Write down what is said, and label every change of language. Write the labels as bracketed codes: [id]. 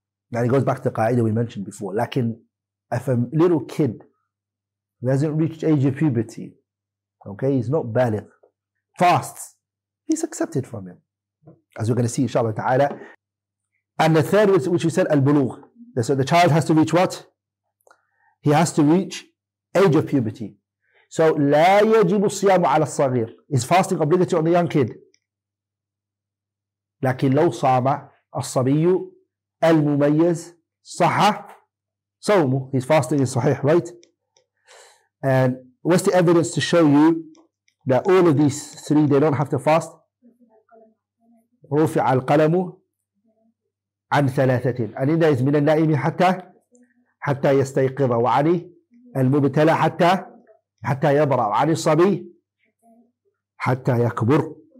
[en] Now it goes back to the qa'idah we mentioned before. Like if a little kid who hasn't reached age of puberty, okay, he's not baligh, fasts, he's accepted from him. As we're going to see, inshallah ta'ala. And the third, which we said, al-bulugh. So the child has to reach what? He has to reach age of puberty. [ar] So لا يجب الصيام على الصغير. [en] Is fasting obligatory on the young kid? [ar] لكن لو صام الصبي المميز صح صومه. [en] His fasting is صحيح, right? And what's the evidence to show you that all of these three, they don't have to fast? [ar] رفع القلم عن ثلاثة. [en] And in there is [ar] من النائم حتى يستيقظ وعن المبتلى حتى يبرأ وعن الصبي حتى يكبر.